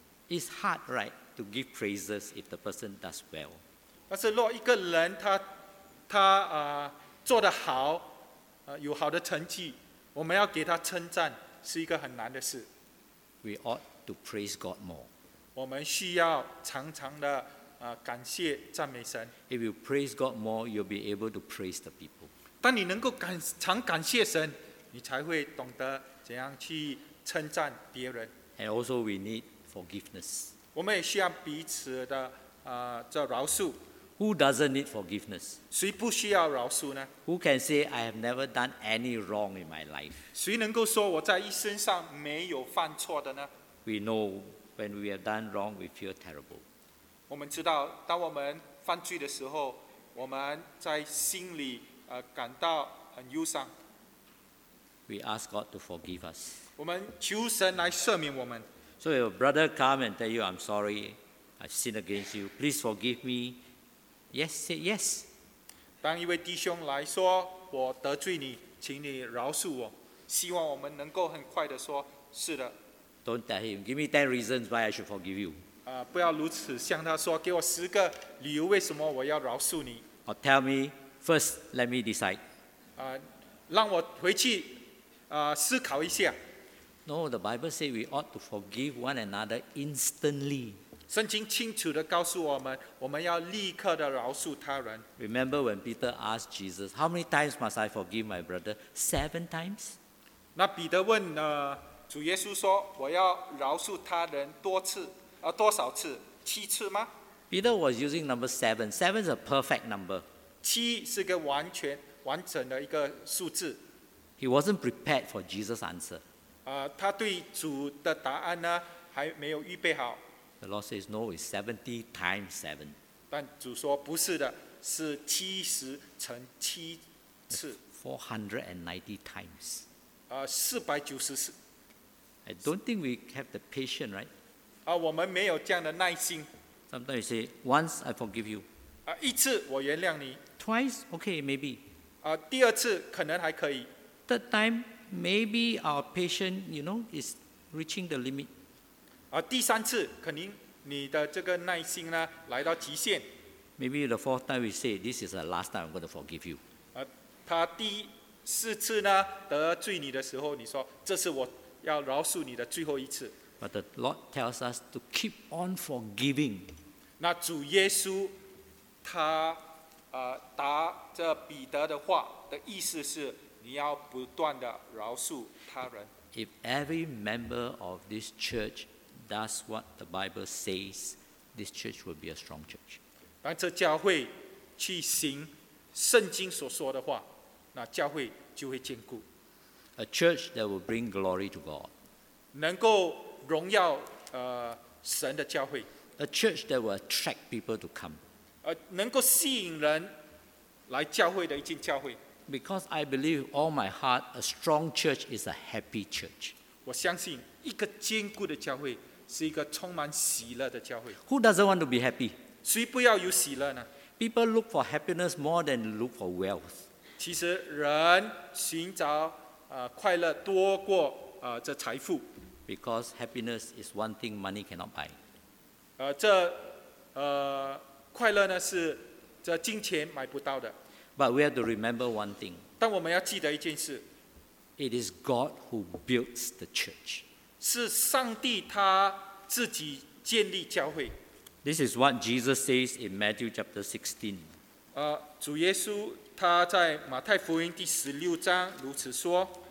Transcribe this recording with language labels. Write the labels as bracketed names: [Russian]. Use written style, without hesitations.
[English] It's hard, right, to give praises if the person does well. [Chinese] 但是若一个人他做得好，有好的成绩，我们要给他称赞，是一个很难的事。 [English] We ought to praise God more. [Chinese] 我们需要常常的感谢赞美神。 [English] If you praise God more, you'll be able to praise the people. [Chinese] 当你能够常感谢神，你才会懂得怎样去称赞别人。 [English] And also we need forgiveness. [Chinese] 我们也需要彼此的这饶恕。 [English] Who doesn't need forgiveness? [Chinese] 谁不需要饶恕呢？ [English] Who can say I have never done any wrong in my life? [Chinese] 谁能够说我在一生上没有犯错的呢？ [English] We know when we have done wrong, we feel terrible. [Chinese] 我们知道，当我们犯罪的时候，我们在心里感到很忧伤。 [English] We ask God to forgive us. [Chinese] 我们求神来赦免我们。 [English] So if a brother come and tell you I'm sorry, I've sinned against you, please forgive me. Yes, say yes. [Chinese] 当一位弟兄来说，我得罪你，请你饶恕我，希望我们能够很快的说，是的。 [English] Don't tell him, give me 10 reasons why I should forgive you. [Chinese] 不要如此向他说，给我十个理由为什么我要饶恕你。 [English] Or tell me, first, let me decide. [Chinese] 让我回去思考一下。 [English] No, the Bible says we ought to forgive one another instantly. [Chinese] 圣经清楚地告诉我们，我们要立刻地饶恕他人。 [English] Remember when Peter asked Jesus, "How many times must I forgive my brother?" 7 times. [Chinese] 那彼得问主耶稣说，我要饶恕他人多次，多少次？ 7次吗 [English] ？Peter was using number 7. 7 is a perfect number. [Chinese] 7是个完整的一个数字。 [English] He wasn't prepared for Jesus' answer. [Chinese] 他对主的答案呢，还没有预备好。 [English] The Lord says, no, it's 70 times 7. [Chinese] 但主说不是的，是七十乘七次。 [English] 490 times [Chinese] 490次。 [English] I don't think we have the patience, right? [Chinese] 我们没有这样的耐心。 [English] Sometimes you say, once I forgive you. [Chinese] 一次我原谅你。 [English] Twice, okay, maybe. [Chinese] 第二次可能还可以。 [English] Third time, maybe our patience, you know, is reaching the limit. [Chinese] 第三次可能你的这个耐心呢来到极限。 [English] Maybe the fourth time we say, this is the last time I'm going to forgive you. [Chinese] 他第四次呢得罪你的时候，你说这是我要饶恕你的最后一次。 [English] But the Lord tells us to keep on forgiving. [Chinese] 那主耶稣他答这彼得的话的意思是你要不断的饶恕他人。 [English] If every member of this church does what the Bible says, this church will be a strong church. [Chinese] 当这教会去行圣经所说的话，那教会就会坚固。 [English] A church that will bring glory to God. [Chinese] 能够荣耀神的教会。 [English] A church that will attract people to come. [Chinese] 能够吸引人来教会的一间教会。 [English] Because I believe all my heart, a strong church is a happy church. [Chinese] 我相信一个坚固的教会是一个充满喜乐的教会。 [English] Who doesn't want to be happy? [Chinese] 谁不要有喜乐呢？ [English] People look for happiness more than look for wealth. [Chinese] 其实人寻找快乐多过这财富。 [English] Because happiness is one thing money cannot buy. [Chinese] 这快乐呢是这金钱买不到的。 [English] But we have to remember one thing. [Chinese] 但我们要记得一件事。 [English] It is God who builds the church. [Chinese] 是上帝他自己建立教会。 [English] This is what Jesus says in Matthew chapter 16. [Chinese] 主耶稣他在马太福音第十六章如此说。